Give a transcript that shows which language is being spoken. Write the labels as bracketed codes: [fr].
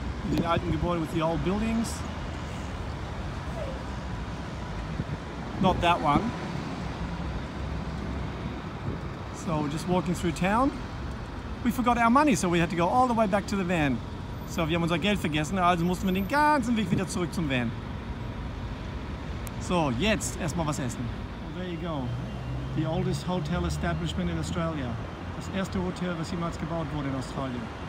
[en] The [de] alten Gebäude [en] with the old buildings. Not that one. So we're just walking through town. We forgot our money, so we had to go all the way back to the van. [de] So wir haben unser Geld vergessen, also mussten wir den ganzen Weg wieder zurück zum Van. So, jetzt erstmal was essen. [en] There you go, the oldest hotel establishment in Australia. [de] Das erste Hotel, was jemals gebaut wurde in Australien.